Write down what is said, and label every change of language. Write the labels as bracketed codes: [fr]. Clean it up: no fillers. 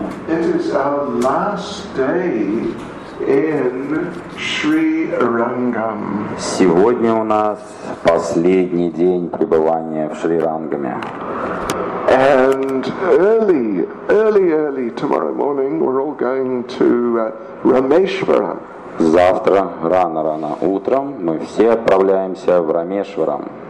[en] It is our last day in Sri Rangam. [ru] Сегодня у нас последний день пребывания в Шри Рангаме. [en] And early tomorrow morning we're all going to Rameshwaram. [ru] Завтра рано утром мы все отправляемся в Рамешварам.